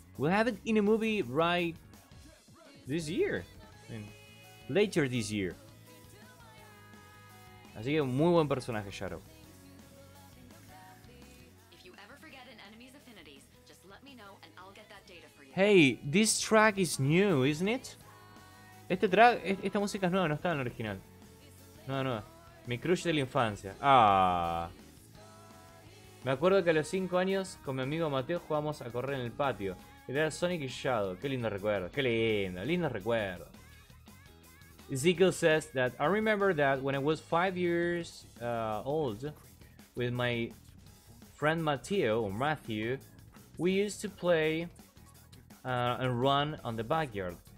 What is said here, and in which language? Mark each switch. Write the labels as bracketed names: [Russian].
[English] We'll have it in a movie right this year. Later this year. [Spanish] Así que muy buen personaje, Shadow. [English] If you ever forget an enemy's affinities, just let me know and I'll get that data for you. Hey, this track is new, isn't it? [Spanish] Este track, esta música es nueva, no está en el original. Nueva, nueva. Mi crush de la infancia. Ah. Me acuerdo que a los 5 años con mi amigo Mateo jugamos a correr en el patio. Era Sonic y Shadow. Qué lindo recuerdo. Qué lindo. Lindo recuerdo. [English] Ezekiel says that I remember that when I was 5 years old with my friend Mateo, or Matthew, we used to play and run on the backyard.